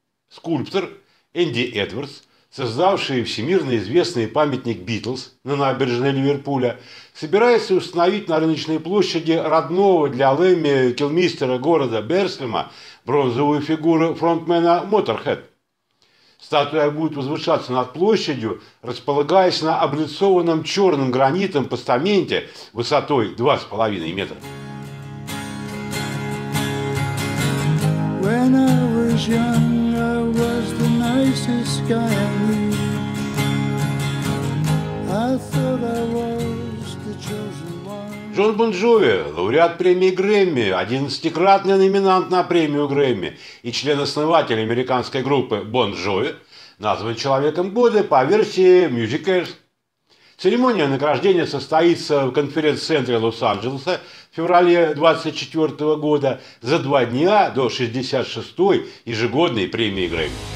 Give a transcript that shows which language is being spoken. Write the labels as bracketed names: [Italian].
[Russian] Скульптор Энди Эдвардс, создавший всемирно известный памятник Битлз на набережной Ливерпуля, собирается установить на рыночной площади родного для Лэмми Килмистера города Берслема бронзовую фигуру фронтмена Моторхед. Статуя будет возвышаться над площадью, располагаясь на облицованном черным гранитом постаменте высотой 2,5 метра. [English] When I was young, I was the nicest guy I knew. I thought I was the chosen. [Russian] Джон Бон Джови, лауреат премии Грэмми, 11-кратный номинант на премию Грэмми и член-основатель американской группы Бон Джови, назван Человеком года по версии Musicers. Церемония награждения состоится в конференц-центре Лос-Анджелеса в феврале 2024 года за 2 дня до 66-й ежегодной премии Грэмми.